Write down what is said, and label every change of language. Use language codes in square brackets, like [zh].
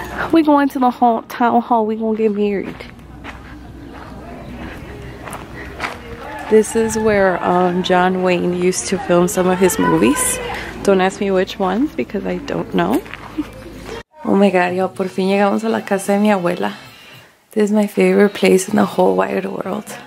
[en] We going to the hall, town hall. We gonna get married. This is where John Wayne used to film some of his movies. Don't ask me which ones because I don't know. Oh my God, y'all, [es] por fin llegamos a la casa de mi abuela. [en] This is my favorite place in the whole wide world.